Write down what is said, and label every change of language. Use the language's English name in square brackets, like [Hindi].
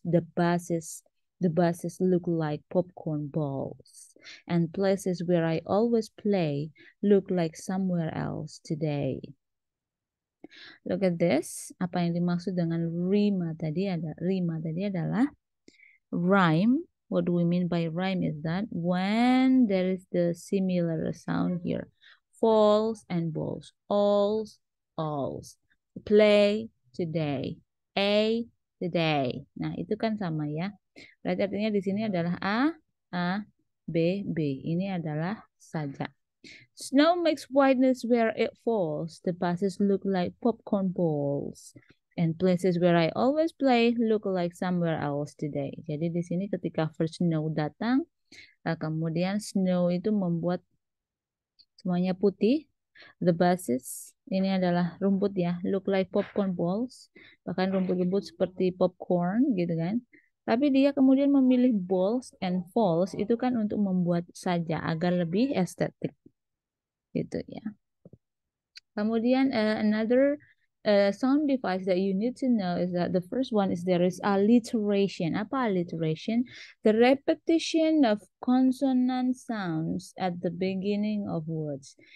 [English] The buses look like popcorn balls, and places where I always play look like somewhere else today. Look at this. [Indonesian] Apa yang dimaksud dengan rima tadi adalah rhyme [English] What do we mean by rhyme is that when there is the similar sound here, falls and balls, alls, play today, a today. [Indonesian] Nah, itu kan sama ya. Berarti artinya di sini adalah a, b, b. Ini adalah saja. [English] Snow makes whiteness where it falls. The buses look like popcorn balls. And places where I always play look like somewhere else today. [Indonesian] Jadi di sini ketika first snow datang, kemudian snow itu membuat semuanya putih. [English] The buses, [Indonesian] ini adalah rumput ya, [English] look like popcorn balls. [Indonesian] Bahkan rumput-rumput seperti popcorn gitu kan. Tapi dia kemudian memilih balls and falls itu kan untuk membuat saja agar lebih estetik. Gitu ya. [English] Kemudian another sound device that you need to know is that the first one is there is alliteration. Apa alliteration? The repetition of consonant sounds at the beginning of words.